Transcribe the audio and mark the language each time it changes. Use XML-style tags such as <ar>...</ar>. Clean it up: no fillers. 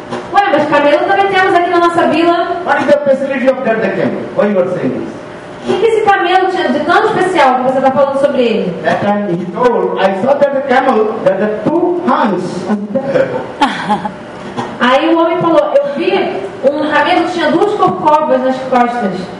<pt>Ué, mas camelo também temos aqui na nossa vila.</pt> <en>What is the facility of that camel? Why you are saying this?</en> <pt>O que esse camelo tinha de tão especial que você está falando sobre ele?</pt> <en>That time he told, I saw that the camel that the two horns.</en> <pt>Aí o homem falou: eu vi um camelo que tinha duas corcovas nas costas.</pt>